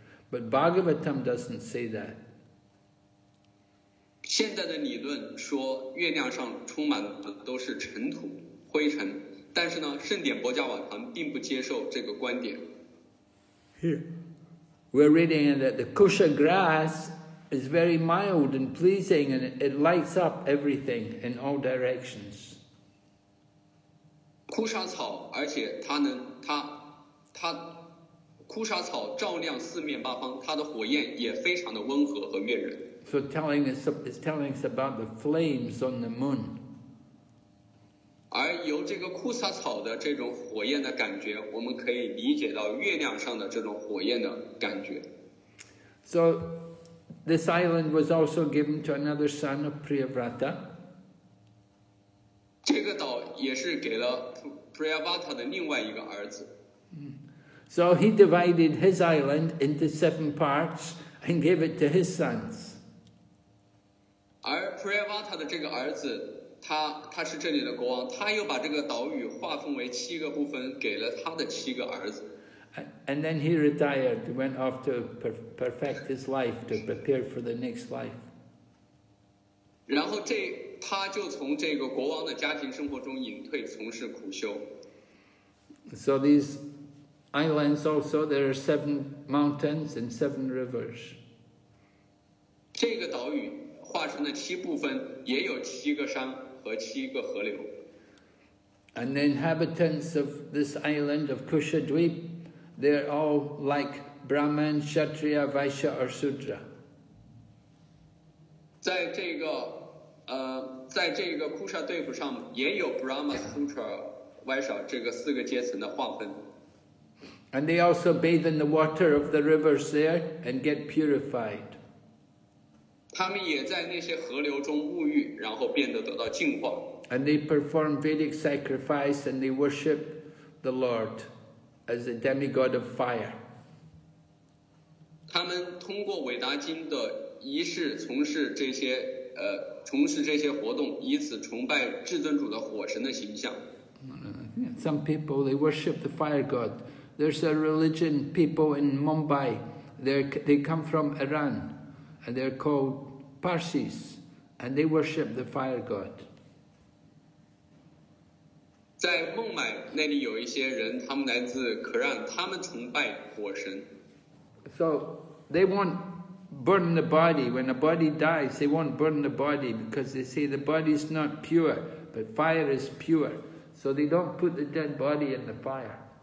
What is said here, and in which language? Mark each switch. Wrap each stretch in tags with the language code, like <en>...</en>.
<en>But Bhagavatam doesn't say that.</en> <zh>现在的理论说月亮上充满的都是尘土、灰尘，但是呢，圣典博迦瓦坛并不接受这个观点。</zh> <en>Here, we're reading that the Kusha grass is very mild and pleasing, and it lights up everything in all directions.</en> <zh>枯沙草，而且它能，它枯沙草照亮四面八方，它的火焰也非常的温和和悦人。</zh> <en>So it's telling us about the flames on the moon.</en> <zh>而由这个枯沙草的这种火焰的感觉，我们可以理解到月亮上的这种火焰的感觉。</zh> <en>So this island was also given to another son of Priyavrata.</en> <zh>这个岛也是给了 Priyavrata 的另外一个儿子。</zh> <en>So he divided his island into seven parts and gave it to his sons.</en> <zh>而 Priyavrata 的这个儿子，他是这里的国王，他又把这个岛屿划分为七个部分，给了他的七个儿子。</zh> <en>And then he retired, went off to perfect his life, to prepare for the next life.</en> <zh>然后这。他就从这个国王的家庭生活中隐退，从事苦修。</zh> <en>So these islands also, there are seven mountains and seven rivers.</en> <zh>这个岛屿划成的七部分，也有七个山和七个河流。</zh> <en>And the inhabitants of this island of Kushadvipa, they are all like Brahman, Kshatriya, Vaishya, or Sudra.</en> <zh>在这个在这个库沙对付上也有 Brahma, Sutra, Vaisha 这个四个阶层的划分。</zh> <en>And they also bathe in the water of the rivers there and get purified.</en> <zh>他们也在那些河流中沐浴，然后变得得到净化。</zh> <en>And they perform Vedic sacrifice and they worship the Lord as a demigod of fire.</en> <zh>他们通过韦达经的仪式从事这些从事这些活动，以此崇拜至尊主的火神的形象。</zh> <en>Some people they worship the fire god. There's a religion people in Mumbai. They come from Iran, and they're called Parsis, and they worship the fire god.</en> <zh>在孟买那里有一些人，他们来自可让，他们崇拜火神。</zh> <en>So they want. Burn the body. When a body dies, they won't burn the body because they say the body is not pure, but fire is pure. So they don't put the dead body in the fire.</en>